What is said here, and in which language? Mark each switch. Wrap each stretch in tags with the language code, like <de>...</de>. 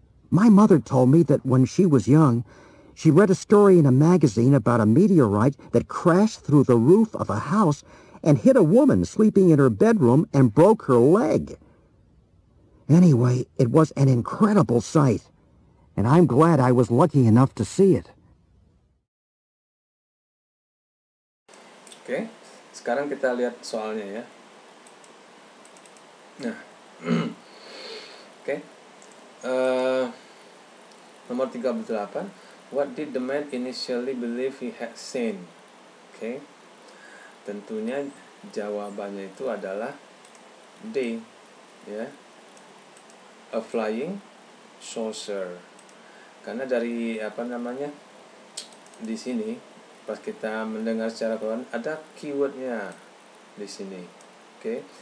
<en>My mother told me that when she was young, she read a story in a magazine about a meteorite that crashed through the roof of a house and hit a woman sleeping in her bedroom and broke her leg. Anyway, it was an incredible sight, and I'm glad I was lucky enough to see it.</en> <id>Okay, sekarang kita lihat soalnya ya.</id> <en>Okay.</en> <id>Nomor 38.</id> <en>What did the man initially believe he had seen? Okay.</en> <id>Tentunya jawabannya itu adalah D. Yeah.</id> <en>A flying saucer.</en> <id>Karena dari apa namanya? Di sini pas kita mendengar secara keseluruhan ada keywordnya di sini. Okay.</id>